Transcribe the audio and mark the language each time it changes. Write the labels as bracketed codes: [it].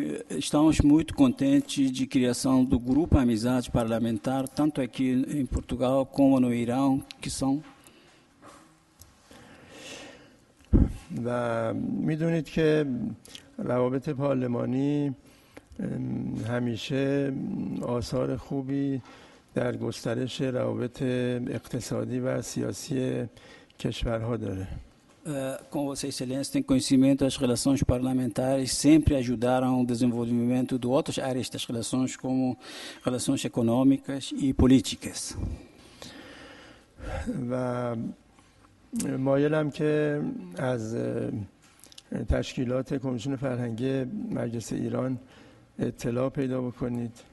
[pt] Estamos muito contentes de criação do grupo amizade parlamentar tanto aqui em Portugal como no Irã, que são. [fa] و میدونید که روابط پارلمانی همیشه آثار خوبی در گسترش روابط اقتصادی و سیاسی کشورها داره. [pt] Com Vossa Excelência tem conhecimento, as relações parlamentares sempre ajudaram o desenvolvimento de outras áreas das relações, como relações econômicas e políticas. [fa] و مایلم که از تشکیلات کمیسیون فرهنگی مجلس ایران اطلاع پیدا بکنید.